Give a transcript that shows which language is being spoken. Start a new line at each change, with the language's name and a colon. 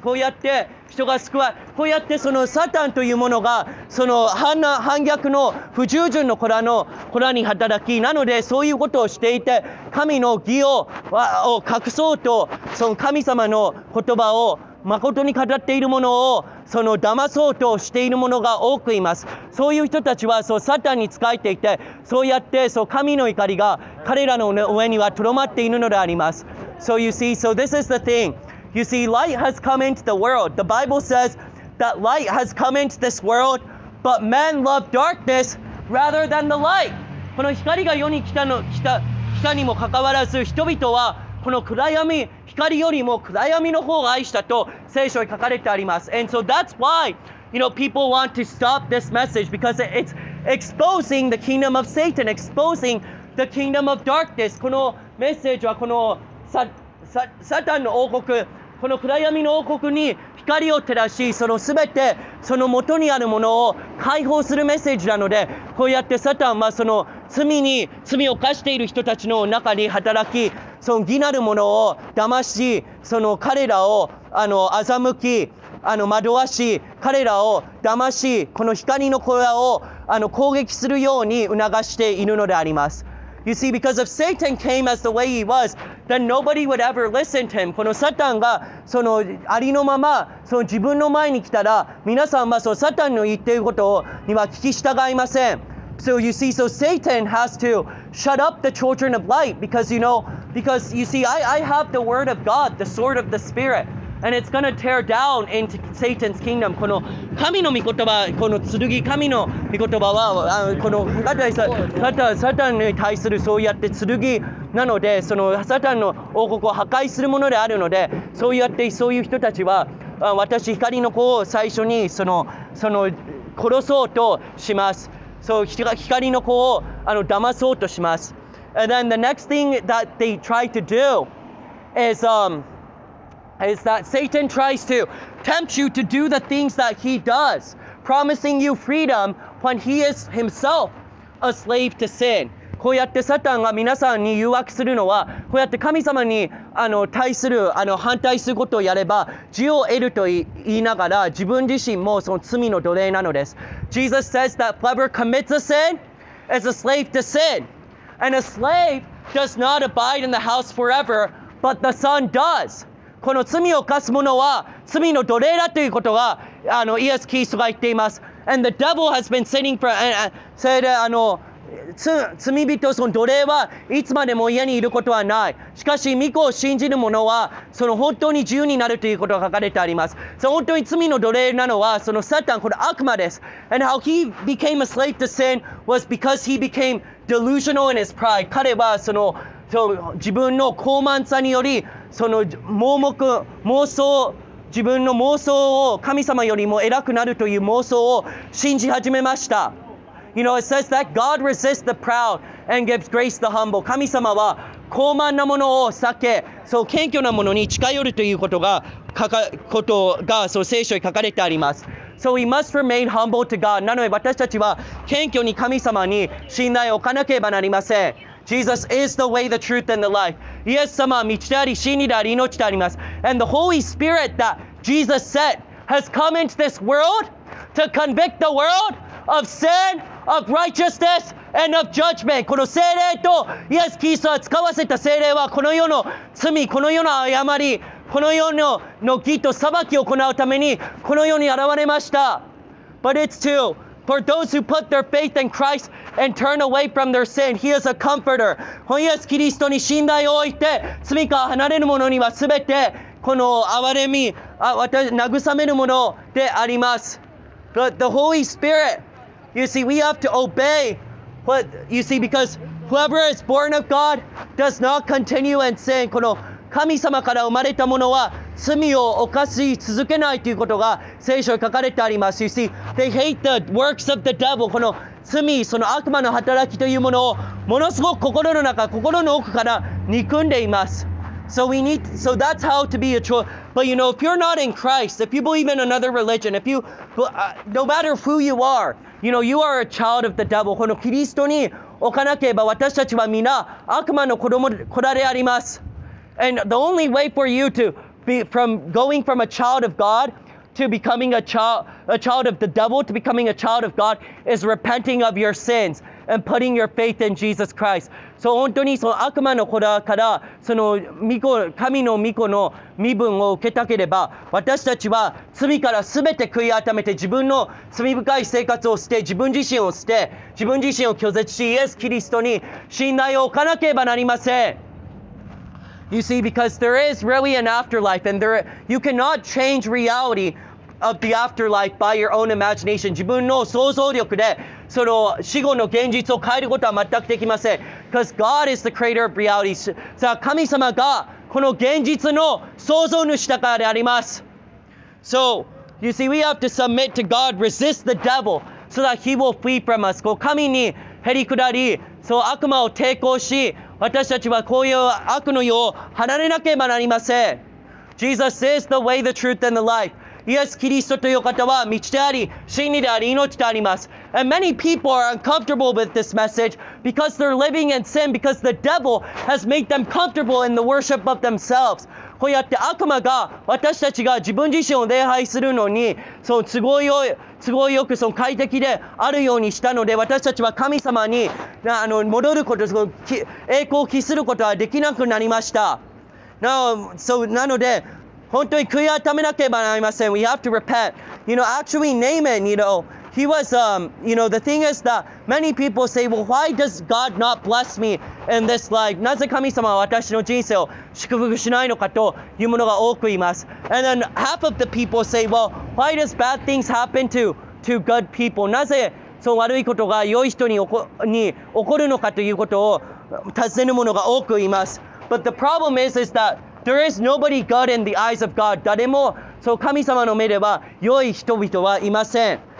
Japanese: こうやって人が救わ、こうやってそのサタンというものがその反逆の不従順の子らに働き、なのでそういうことをしていて、神の義を隠そうと、その神様の言葉を誠に語っているものをその騙そうとしているものが多くいます。そういう人たちはそうサタンに仕えていて、そうやってそう神の怒りが彼らの上にはとどまっているのであります。
English: So you see, so this is the thing. You see, light has come into the world. The Bible says that light has come into this world, but men love darkness rather than the light.
Japanese: この光が世に来たにもかかわらず、人々はこの暗闇、光よりも暗闇の方を愛したと聖書に書かれてあります。
English: And so that's why, you know, people want to stop this message because it's exposing the kingdom of Satan, exposing the kingdom of darkness.
Japanese: このメッセージはこのサタンの王国、この暗闇の王国に光を照らし、そのすべてその元にあるものを解放するメッセージなので、こうやってサタンはその罪を犯している人たちの中に働き、その義なるものを騙し、その彼らをあの欺き、あの惑わし、彼らを騙し、この光の小屋をあの攻撃するように促しているのであります。
English: You see, because if Satan came as the way he was, then nobody would ever listen to him.
Japanese: このサタンがそのありのままその自分の前に来たら、皆さんはそのサタンの言っていることには聞き従いません。
English: So you see, so Satan has to shut up the children of light because I have the word of God, the sword of the spirit, and it's going to tear down into Satan's kingdom.
Japanese: この神の御言葉、この剣、神の御言葉はあのこのサタンに対するそうやって剣なので、そのサタンの王国を破壊するものであるので、そうやってそういう人たちは私光の子を最初にその殺そうとします。
English: So,
Japanese: 光の子をあの騙そうとします。
English: And then the next thing that they try to do is that Satan tries to tempt you to do the things that he does, promising you freedom when he is himself a slave to sin.
Japanese: こうやってサタンが皆さんに誘惑するのは、こうやって神様に対する反対することをやれば、自由を得ると言いながら、自分自身もその罪の奴隷なのです。
English: Jesus says that whoever commits a sin is a slave to sin. And a slave does not abide in the house forever, but the son does.
Japanese: この罪を犯す者は罪の奴隷だということがイエス・キリストが言っています。
English: And the devil has been sinning for,
Japanese: それで罪人、その奴隷はいつまでも家にいることはない。しかし、御子を信じる者はその本当に自由になるということが書かれてあります。その本当に罪の奴隷なのはそのサタン、これ悪魔です。
English: And how he became a slave to sin was because he became delusional in his pride.
Japanese: 彼はその自分の高慢さによりその盲目妄想自分の妄想を神様よりも偉くなるという妄想を信じ始めました
English: You know, it says that God resists the proud and gives grace to the humble
Japanese: 神様は高慢なものを避けそう謙虚なものに近寄るということが書かことがそう聖書に書かれてあります
English: So we must remain humble to God
Japanese: なので私たちは謙虚に神様に信頼を置かなければなりません
English: Jesus is the way, the truth, and the life.
Japanese: イエス様は道であり、真理であり、命であります。
English: And the Holy Spirit that Jesus sent has come into this world to convict the world of sin, of righteousness, and of judgment.
Japanese: この聖霊とイエス・キリストが使わせた聖霊はこの世の罪、この世の誤り、この世の義と裁きを行うためにこの世に現れました。
English: But it's to for those who put their faith in ChristAnd turn away from their sin. He is a comforter.
Japanese: このイエス・キリストに信頼を置いて罪から離れる者にはすべてこの憐れみ、慰めるものであります。
English: But the Holy Spirit, you see, we have to obey. What you see, because whoever is born of God does not continue in sin.
Japanese: この神様から生まれた者は罪を犯し続けないということが聖書に書かれてあります。
English: You see, they hate the works of the devil.
Japanese: この罪、その悪魔の働きというものをものすごく心の中、心の奥から憎んでいます。
English: So we need, so that's how to be a true. But you know, if you're not in Christ, if you believe in another religion, if you, no matter who you are, you know, you are a child of the devil.
Japanese: このキリストに置かなければ私たちは皆悪魔の子供、子らであります。
English: And the only way for you to be from going from a child of God. To becoming a child of the devil, to becoming a child of God, is repenting of your sins and putting your faith in Jesus Christ.
Japanese: So, 本当にその悪魔の子だから、その御子、神の御子の身分を受けたければ、私たちは罪からすべて悔い改めて、自分の罪深い生活を捨て、自分自身を捨て、自分自身を拒絶し、イエス・キリストに信頼を置かなければなりません。
English: You see, because there is really an afterlife, and there you cannot change reality of the afterlife by your own imagination.
Japanese: 自分の想像力でその死後の現実を変えることは全くできません。
English: Because God is the creator of reality.
Japanese: さあ、神様がこの現実の想像主だからであります。
English: So, you see, we have to submit to God, resist the devil, so that he will flee from us.
Japanese: こう神にへりくだり、そう悪魔を抵抗し、私たちはこういう悪の世を離れなければなりません。
English: Jesus is the way, the truth, and the life.
Japanese: イエス・キリストという方は道であり、真理であり、命であります。
English: And many people are uncomfortable with this message because they're living in sin, because the devil has made them comfortable in the worship of themselves.
Japanese: こうやって悪魔が私たちが自分自身を礼拝するのに、その都合よくその快適であるようにしたので、私たちは神様に戻ること、その栄光を期することはできなくなりました。なので、本当に悔い改めなければなりません。
English: We have to repent. You know, actually, Naaman, you know, he was, you know, the thing is that many people say, well, why does God not bless me in this life?
Japanese: なぜ神様は私の人生を祝福しないのかというものが多くいます。
English: And then half of the people say, well, why does bad things happen to good people?
Japanese: なぜその悪いことが良い人に起こるのかということを尋ねるものが多くいます。
English: But the problem is that there is nobody good in the eyes of God.
Japanese: 誰もそう神様の目では良い人々はいません。